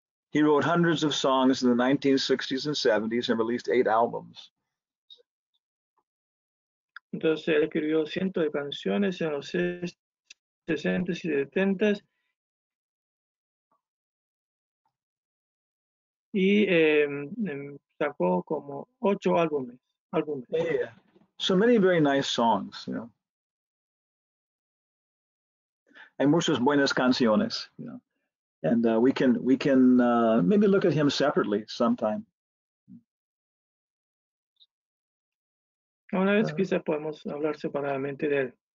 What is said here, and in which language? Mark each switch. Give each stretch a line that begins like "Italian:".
English: He wrote hundreds of songs in the 1960s and 70s and released 8 albums.
Spanish: Entonces él escribió cientos de canciones en los 60s y 70s. Y sacó como 8 álbumes.
English: Yeah. So many very nice songs, you know.
Spanish: And muchas buenas canciones, you know.
English: And we can maybe look at him separately sometime.
Spanish: Una vez quizá podemos hablar separadamente de él.